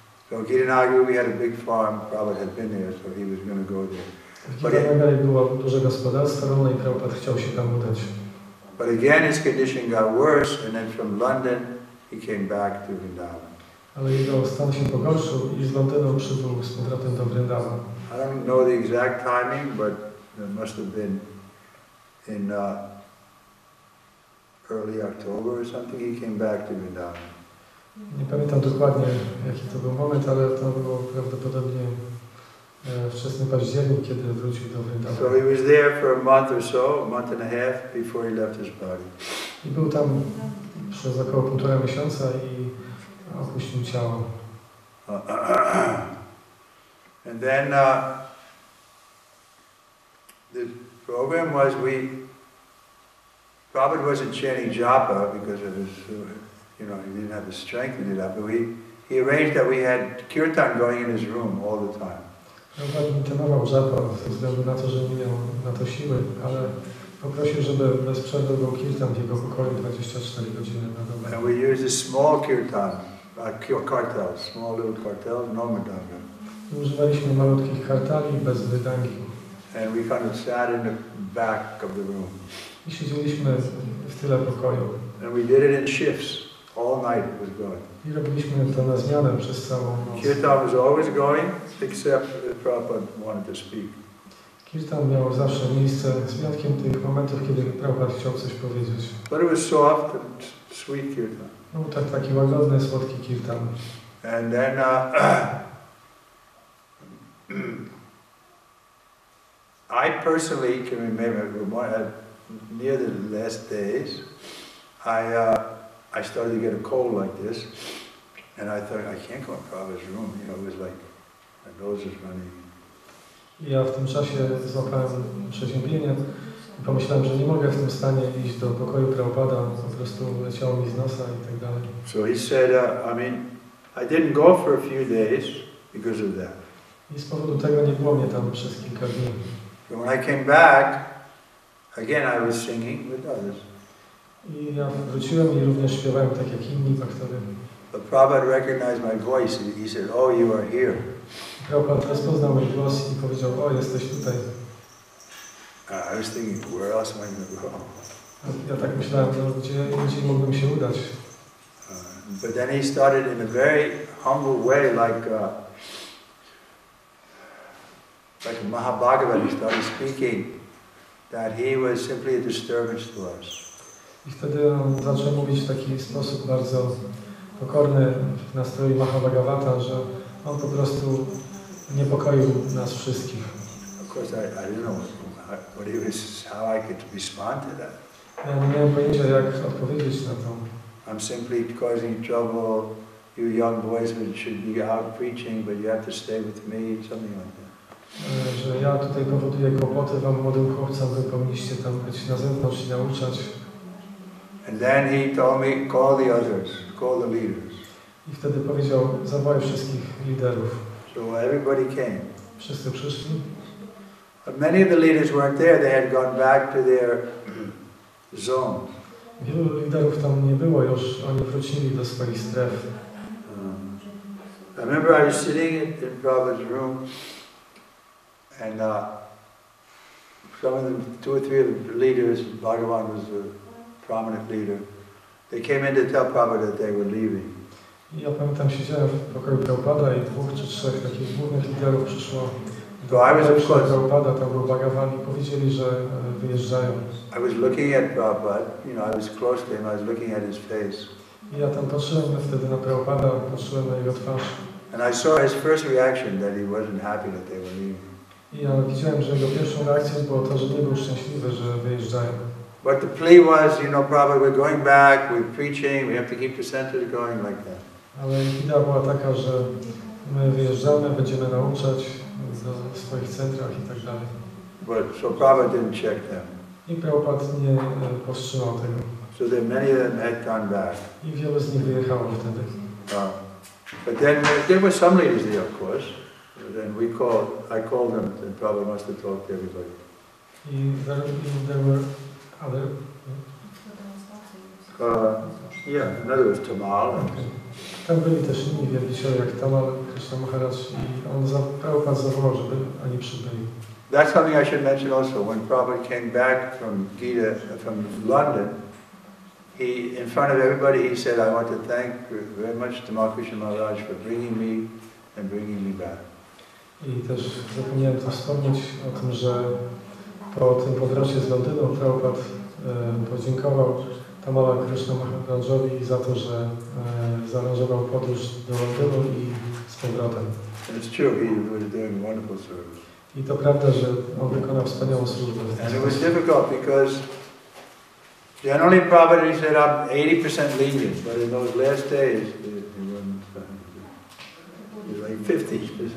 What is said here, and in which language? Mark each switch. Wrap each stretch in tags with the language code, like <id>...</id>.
<en>So Giridhari, we had a big farm, Prabhupada had been there, so he was going to go there.</en> <pl>W Gitanagari było duże gospodarstwo rolne i Prabhupada chciał się tam udać.</pl> <en>But again his condition got worse and then from London he came back to Vrindavan.</en> <pl>Ale jego stan się pogorszył i z Londynu przybył z powrotem do Vrindavan.</pl> <en>I don't know the exact timing, but it must have been in early October or something, he came back to Vrindavan.</en> <pl>Nie pamiętam dokładnie, jaki to był moment, ale to było prawdopodobnie wczesny październik, kiedy wrócił do Vrindavan.</pl> <en>So he was there for a month or so, a month and a half before he left his body.</en> <pl>I był tam przez około półtora miesiąca i opuścił ciało.</pl> <en>And then the program was Prabhupada wasn't chanting japa because of his, you know, he didn't have the strength to do that, but he arranged that we had kirtan going in his room all the time.</en> <pl>Prabhupada intonował japa ze względu na to, że nie miał na to siły, ale poprosił, żeby bez przerwy był kirtan w jego pokoju 24 godziny na dobę.</pl> <en>And we used a small kirtan, cartels, small little cartels, no madanga.</en> <pl>Używaliśmy malutkich kartali bez wydangi.</pl> <en>And we kind of sat in the back of the room.</en> <pl>I siedzieliśmy w tyle pokoju.</pl> <en>And we did it in shifts. All night was going.</en> <pl>I robiliśmy to na zmianę przez całą noc.</pl> <en>Kirtan was always going, except that Prabhupada wanted to speak.</en> <pl>Kirtan miał zawsze miejsce, z wyjątkiem tych momentów, kiedy Prabhupada chciał coś powiedzieć.</pl> <en>But it was soft and sweet kirtan.</en> <pl>Był tak taki łagodny, słodki kirtan.</pl> <en>And then I personally can remember near the last days, I started to get a cold like this, and I thought, I can't go in Prabhupada's room. You know, it was like my nose is running.</en> <pl>Ja w tym czasie złapałem przeziębienie i pomyślałem, że nie mogę w tym stanie iść do pokoju Prabhupada, po prostu leciało mi z nosa i tak dalej.</pl> <en>So he said, I didn't go for a few days because of that.</en> <pl>I z powodu tego nie było mnie tam przez kilka dni.</pl> <en>So when I came back, again I was singing with others.</en> <pl>I ja wróciłem i również śpiewałem tak jak inni faktory.</pl> <en>The Prabhupada recognized my voice and he said, oh, you are here.</en> <pl>Prabhupada rozpoznał mój głos i powiedział, o, jesteś tutaj.</pl> <en>I was thinking, where else am I going to go?</en> <pl>Ja tak myślałem, to gdzie indziej mógłbym się udać.</pl> <en>But then he started in a very humble way, like a Mahabhagavan, he started speaking, that he was simply a disturbance to us.</en> <pl>I wtedy on zaczął mówić w taki sposób bardzo pokorny w nastroju Mahabhagavata, że on po prostu niepokoił nas wszystkich.</pl> <en>Of course I didn't know what he was, how I could respond to that.</en> <pl>Ja nie miałem pojęcia, jak odpowiedzieć na to.</pl> <en>I'm simply causing trouble, you young boys should be out preaching, but you have to stay with me, something like that.</en> <pl>Że ja tutaj powoduję kłopoty wam młodym chłopcom, wy powinniście tam być na zewnątrz i nauczać.</pl> <en>And then he told me, call the others, call the leaders.</en> <pl>I wtedy powiedział, zawołaj wszystkich liderów.</pl> <en>So everybody came.</en> <pl>Wszyscy przyszli.</pl> <en>But many of the leaders weren't there, they had gone back to their zone.</en> <pl>Wielu liderów tam nie było już, oni wrócili do swoich stref.</pl> <en>I remember I was sitting in Prabhupada's room and some of them, two or three of the leaders, Bhagavan was a prominent leader, they came in to tell Prabhupada that they were leaving.</en> <pl>Ja pamiętam, siedziałem w pokoju Prabhupada i dwóch czy trzech takich głównych liderów przyszło.</pl> <en>So I was, of course,</en> <pl>Prabhupada, tam był Bhagavan i powiedzieli, że wyjeżdżają.</pl> <en>I was looking at Prabhupada, you know, I was close to him, I was looking at his face.</en> <pl>I ja tam patrzyłem wtedy na Prabhupada, patrzyłem na jego twarz.</pl> <en>And I saw his first reaction that he wasn't happy that they were leaving.</en> <pl>I ja widziałem, że jego pierwszą reakcją było to, że nie był szczęśliwy, że wyjeżdżają.</pl> <en>But the plea was, you know, Prabhupada, we're going back, we're preaching, we have to keep the center going like that.</en> <pl>Ale idea była taka, że my wyjeżdżamy, będziemy nauczać w swoich centrach i tak dalej.</pl> <en>But so Prabhupada didn't check them.</en> <pl>I Prabhupada nie powstrzymał tego.</pl> <en>So then many of them had gone back.</en> <pl>I wielu z nich wyjechało wtedy.</pl> <en>But then there were some ladies there, of course. Then we called, I called them, and Prabhupada must have talked to everybody. I there were other. Yeah, in other words, Tamal.</en> <pl>Tam byli też inni wielbiciele, jak Tamal Krishna Maharaj, i on Prabhupada zawołał, żeby oni przybyli.</pl> <en>That's something I should mention also. When Prabhupada came back from Gita, from London, he, in front of everybody, he said, I want to thank very much Tamal Krishna Maharaj for bringing me and bringing me back.</en> <pl>I też zapomniałem to wspomnieć o tym, że po tym powrocie z Londynu Prabhupada podziękował Tamala Krishna Maharajowi za to, że zaaranżował podróż do Londynu i z powrotem.</pl> <en>It's true, he was doing wonderful service.</en> <pl>I to prawda, że on wykonał wspaniałą służbę.</pl> <en>And it was difficult because generally Prabhupada said I'm 80% lenient, but in those last days he wasn't like 50%.</en>